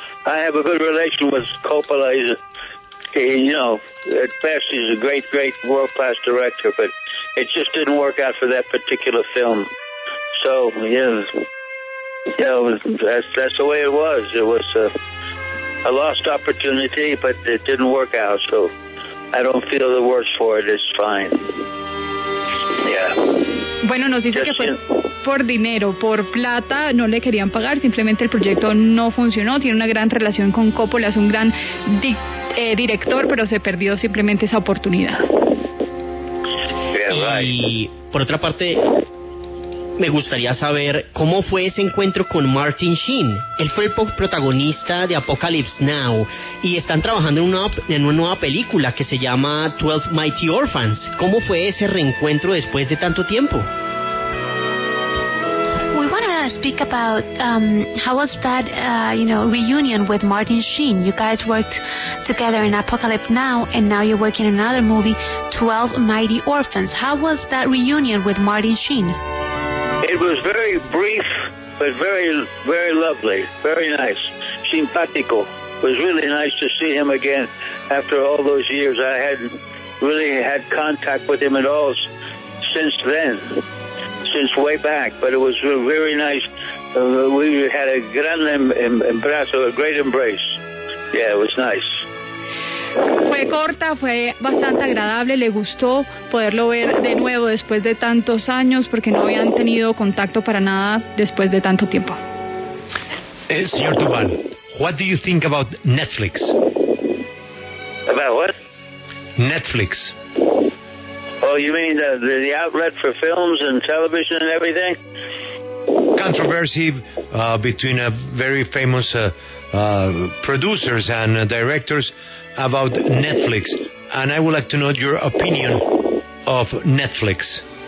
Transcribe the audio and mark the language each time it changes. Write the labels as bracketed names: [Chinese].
[English] I have a good relation with Coppola. At best, he's a great, great, world-class director, but it just didn't work out for that particular film. So, that's the way it was. It was a lost opportunity, but it didn't work out, so I don't feel the worse for it. It's fine. Yeah. [Spanish] Bueno, nos dice que fue por dinero, por plata, no le querían pagar, simplemente el proyecto no funcionó. Tiene una gran relación con Coppola, es un gran director, pero se perdió simplemente esa oportunidad. Y por otra parte, me gustaría saber cómo fue ese encuentro con Martin Sheen. Él fue el protagonista de Apocalypse Now y están trabajando en una nueva película que se llama 12 Mighty Orphans. ¿Cómo fue ese reencuentro después de tanto tiempo? [English] We want to speak about how was that reunion with Martin Sheen. You guys worked together in Apocalypse Now and now you're working in another movie, 12 Mighty Orphans. How was that reunion with Martin Sheen? It was very brief, but very, very lovely, very nice, simpatico. It was really nice to see him again after all those years. I hadn't really had contact with him at all since then, since way back. But it was very nice. We had a [Spanish] gran embrazo, [English] a great embrace. Yeah, it was nice. [Spanish] Fue corta, fue bastante agradable, le gustó poderlo ver de nuevo después de tantos años porque no habían tenido contacto para nada después de tanto tiempo. [English] Señor Duvall, what do you think about Netflix? About what? Netflix. Oh, you mean the outlet for films and television and everything? Controversy between a very famous producers and directors about Netflix, and I would like to know your opinion of Netflix.